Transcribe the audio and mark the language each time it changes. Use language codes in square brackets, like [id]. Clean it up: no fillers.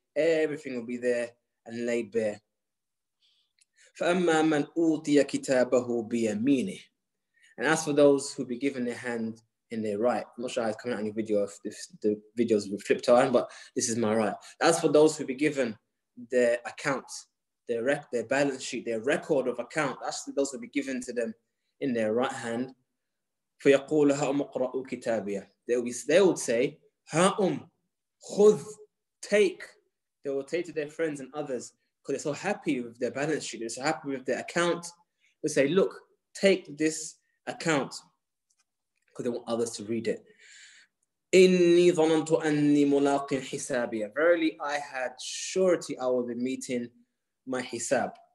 [en] Everything will be there and laid bare. فَأَمَّا مَنْ أُوْتِيَ كِتَابَهُ بِيَمِينِهِ And as for those who be given their hand in their right, I'm not sure how it's coming out in your video, if the videos will flip time, but this is my right. As for those who be given their accounts, their balance sheet, their record of account, actually those will be given to them in their right hand. [ar] فَيَقُولُ هَا أُمُقْرَأُ كِتَابِيَةً They would say, هَا خُذْ, take. [en] They will take to their friends and others because they're so happy with their balance sheet, they're so happy with their account. They say, look, take this account. because they want others to read it. [ar] إِنِّي ظَنَنْتُ أَنِّي مُلَاقٍ حِسَابِيَ. [en] Verily, I had surety I will be meeting my hisab.